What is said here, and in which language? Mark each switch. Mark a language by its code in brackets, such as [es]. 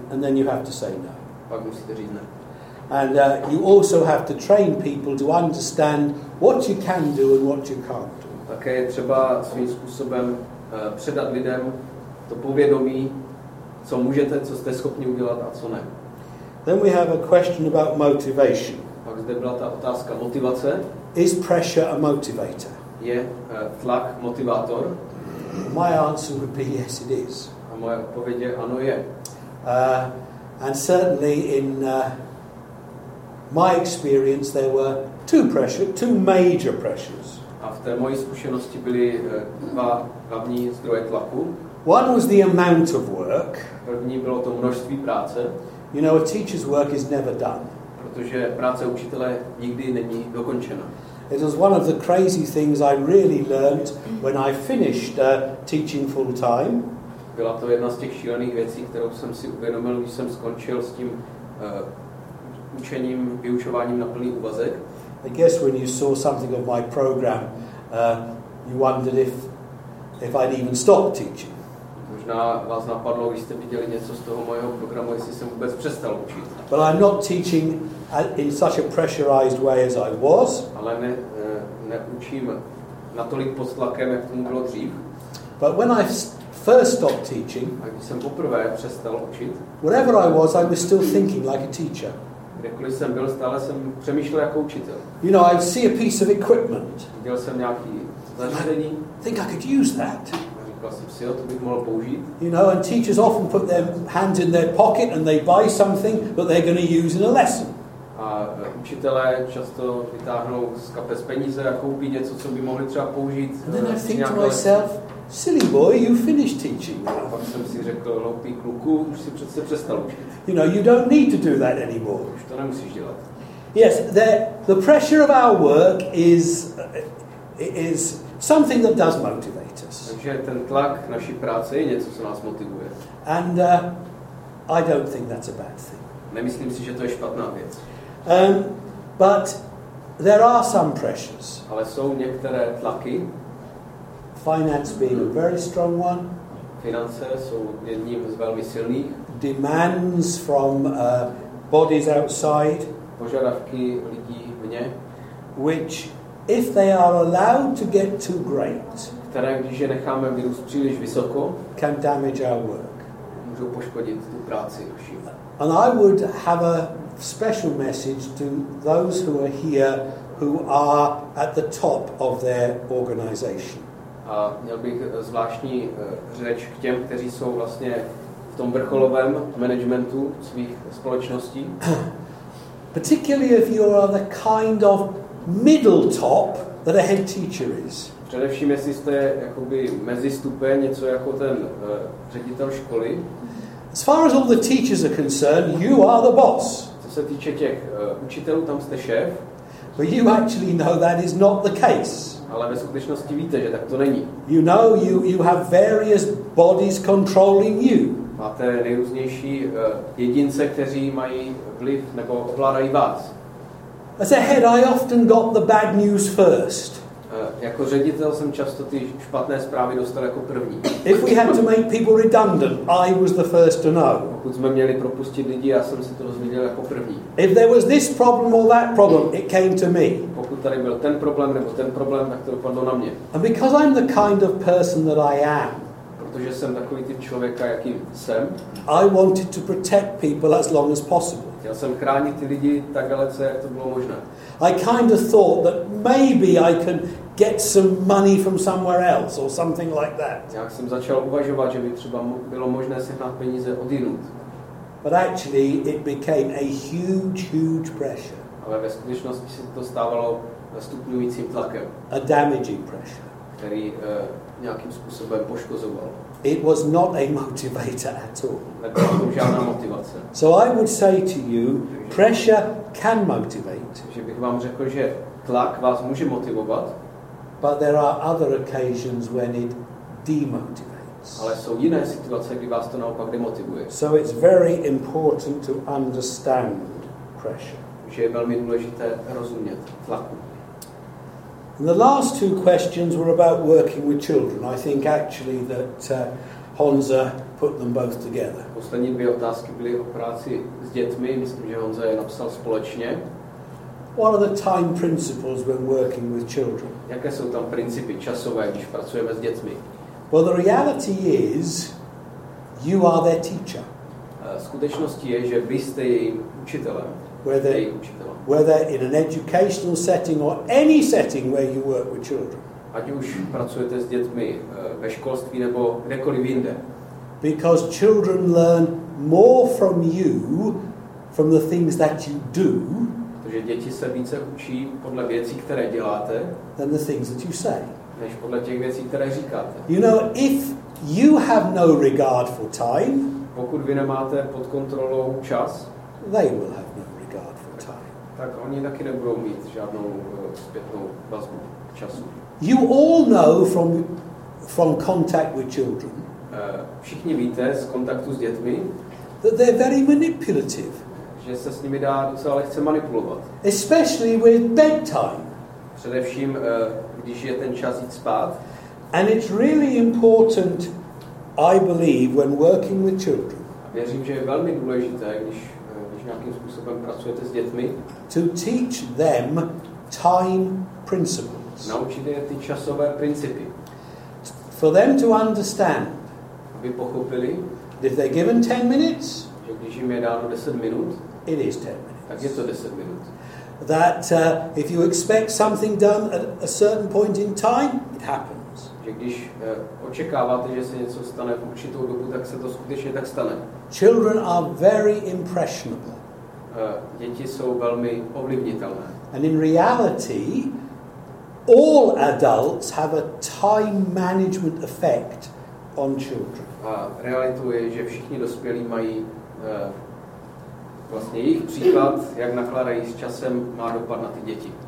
[en] And then you have to say no. [cs] Pak musíte říct ne. [en] And you also have to train people to understand what you can do and what you can't do. [cs] Také je třeba svým způsobem předat lidem to povědomí, co můžete, co jste schopni udělat a co ne. [en] Then we have a question about motivation. [cs] Pak zde byla ta otázka motivace. [en] Is pressure a motivator? [cs] Je tlak motivátor? [en] My answer would be yes, it is. [cs] A moje odpověď je ano, je. [en] And certainly in my experience there were two major pressures. [cs] A v té mojí zkušenosti byly dva hlavní zdroje tlaku. [en] One was the amount of work. [cs] První bylo to množství práce. [en] You know, a teacher's work is never done. [cs] Protože práce učitele nikdy není dokončena. [en] It was one of the crazy things I really learned when I finished teaching full time. [cs] Byla to jedna z těch šílených věcí, kterou jsem si uvědomil, když jsem skončil s tím učením, vyučováním na plný úvazek. [en] I guess when you saw something of my program, you wondered if I'd even stop teaching. [cs] Možná vás napadlo, když jste viděli něco z toho mojeho programu, jestli jsem vůbec přestal učit. [en] But I'm not teaching in such a pressurized way as I was. [cs] Ale neučím natolik pod tlakem, jak tomu bylo dřív. [en] But when I first stopped teaching, [cs] a když jsem poprvé přestal učit, [en] wherever I was still thinking like a teacher. [cs] Kdekoliv jsem byl, stále jsem přemýšlel jako učitel. [en] You know, I'd see a piece of equipment. [cs] Viděl jsem nějaký zařízení. [en] Think I could use that. You know, and teachers often put their hands in their pocket and they buy something that they're going to use in a lesson. [cs] A učitelé často vytáhnou z kapes peníze a koupí něco, co by mohli třeba použít. [en] And then I think to myself, silly boy, you finished teaching. [cs] A pak jsem si řekl, hloupý kluku, už si přece přestal učit. [en] You know, you don't need to do that anymore. [cs] Už to nemusíš dělat. [en] Yes, the pressure of our work is something that does motivate. [cs] Takže ten tlak naší práce je něco, co nás motivuje. [en] And I don't think that's a bad thing. [cs] Nemyslím si, že to je špatná věc. [en] But there are some pressures. [cs] Ale jsou některé tlaky. [en] Finance being a very strong one. [cs] Finance jsou jedním z velmi silných. [en] Demands from bodies outside. [cs] Požadavky lidí vně. [en] Which, if they are allowed to get too great, [cs] které, když je necháme vyrůst příliš vysoko, [en] can damage our work. [cs] Můžou poškodit tu práci. [en] And I would have a special message to those who are here who are at the top of their organization. [cs] A měl bych zvláštní řeč k těm, kteří jsou vlastně v tom vrcholovém managementu svých společností. [en] Particularly if you are the kind of middle top that a head teacher is. [cs] Především, jestli jste jakoby mezi stupeň, něco jako ten ředitel školy. [en] As far as all the teachers are concerned, you are the boss. [cs] Co se týče těch učitelů, tam jste šéf. [en] But you actually know that is not the case. [cs] Ale ve skutečnosti víte, že tak to není. [en] You know, you have various bodies controlling you. [cs] Máte nejrůznější jedince, kteří mají vliv nebo ovládají vás. [en] As a head, I often got the bad news first. [cs] jako ředitel jsem často ty špatné zprávy dostal jako první. [en] If we had to make people redundant, I was the first to know. [cs] Pokud jsme měli propustit lidi, já jsem se to dozvěděl jako první. [en] If there was this problem or that problem, it came to me. [cs] Pokud tady byl ten problém, tak to dopadlo na mě. [en] And because I'm the kind of person that I am, [cs] protože jsem takový typ člověka, jakým jsem, [en] I wanted to protect people as long as possible. [cs] Chtěl jsem chránit ty lidi tak dalece, jak to bylo možné. [en] I kind of thought that maybe I can get some money from somewhere else or something like that. [cs] Já jsem začal uvažovat, že by třeba bylo možné sehnat peníze odjinud. [en] But actually it became a huge, huge pressure. [cs] Ale ve skutečnosti se to stávalo stupňujícím tlakem. [en] A damaging pressure. [cs] Který nějakým způsobem poškozoval. [en] It was not a motivator at all. [cs] Žádná motivace. [en] So I would say to you, pressure can motivate. [cs] Že bych vám řekl, že tlak vás může motivovat. [en] But there are other occasions when it demotivates. [cs] Ale jsou jiné situace, kdy vás to naopak demotivuje. [en] So it's very important to understand pressure. [cs] Že je velmi důležité rozumět tlaku. [en] And the last two questions were about working with children. I think actually that Honza put them both together. [cs] Poslední dvě otázky byly o práci s dětmi. Myslím, že Honza je napsal společně. [en] What are the time principles when working with children? [cs] Jaké jsou tam principy časové, když pracujeme s dětmi? [en] Well, the reality is, you are their teacher. [cs] Skutečností je, že vy jste jejím učitelem. [en] Whether in an educational setting or any setting where you work with children. [cs] Ať už pracujete s dětmi ve školství nebo kdekoliv jinde. [en] Because children learn more from you, from the things that you do. [cs] Protože děti se více učí podle věcí, které děláte. [en] Than the things that you say. [cs] Než podle těch věcí, které říkáte. [en] You know, if you have no regard for time. [cs] Pokud vy nemáte pod kontrolou čas. [en] They will have no. [cs] Tak oni taky nebudou mít žádnou zpětnou vazbu k času. [en] You all know from contact with children. [cs] Všichni víte z kontaktu s dětmi, [en] that they're very manipulative. [cs] Že se s nimi dá docela lehce manipulovat. [en] Especially with bedtime. [cs] Především když je ten čas jít spát. [en] And it's really important, I believe, when working with children. [cs] Věřím, že je velmi důležité, když nějakým způsobem pracujete s dětmi. [en] To teach them time principles. [cs] Naučit je ty časové principy. [en] For them to understand. [cs] Aby pochopili. [en] If they're given 10 minutes. [cs] Že když jim je dáno 10 minut. [en] It is 10 minutes. [cs] Tak je to 10 minut. [en] That if you expect something done at a certain point in time, it happens. [cs] Že když očekáváte, že se něco stane v určitou dobu, tak se to skutečně tak stane. [en] Children are very impressionable. [cs] Děti jsou velmi ovlivnitelné. [en] And in reality, all adults have a time management effect on children. [cs] A realitou je, že všichni dospělí mají vlastně jejich příklad, jak nakládají s časem, má dopad na ty děti.